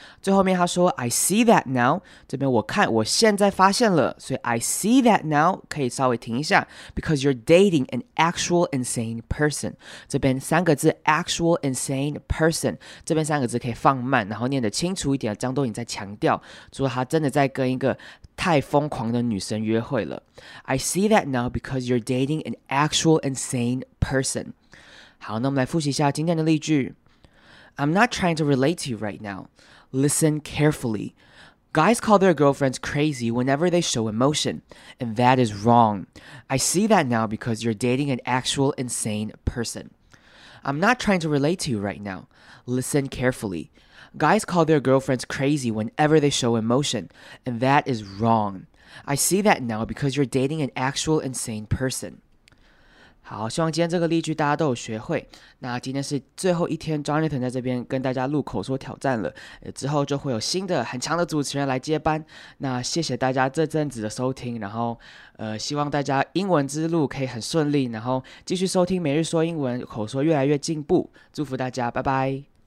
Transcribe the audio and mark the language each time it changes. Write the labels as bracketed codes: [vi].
[zh] 最后面他说 [en] I see that now， [zh] 这边我现在发现了，所以 I see that now 可以稍微停一下， [en] because you're dating an actual insane person， [zh] 这边三个字 [en] actual insane person， [zh] 这边三个字可以放慢，然后念得清楚一点，张多颖在强调说他真的在跟一个太疯狂的女生约会了。 [en] I see that now because you're dating an actual insane person。 [zh] 好，那我们来复习一下今天的例句。 [en] I'm not trying to relate to you right now. Listen carefully. Guys call their girlfriends crazy whenever they show emotion, and that is wrong. I see that now because you're dating an actual insane person. I'm not trying to relate to you right now. Listen carefully. Guys call their girlfriends crazy whenever they show emotion, and that is wrong. I see that now because you're dating an actual insane person. [zh] 好，希望今天这个例句大家都有学会。那今天是最后一天，Jonathan 在这边跟大家录口说挑战了。之后就会有新的很强的主持人来接班。那谢谢大家这阵子的收听，然后希望大家英文之路可以很顺利，然后继续收听每日说英文，口说越来越进步。祝福大家，拜拜。